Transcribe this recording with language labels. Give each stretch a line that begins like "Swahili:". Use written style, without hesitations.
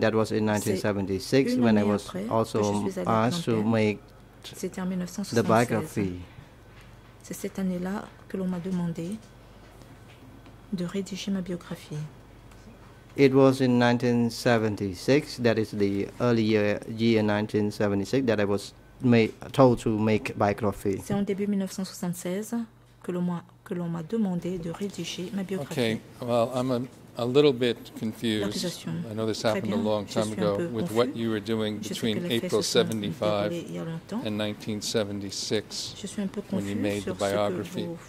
English: That was in 1976 when I was also asked to make the biography.
French: C'est cette année-là que l'on m'a demandé de rédiger ma biographie.
English: It was in 1976, that is the early year 1976, that I was told to make biography.
French: C'est en début 1976 que l'on m'a demandé de rédiger ma biographie.
English: Okay, well, I'm a little bit confused. I know this happened
French: bien,
English: a long time ago with what you were doing between April 75 and 1976 when you made the biography.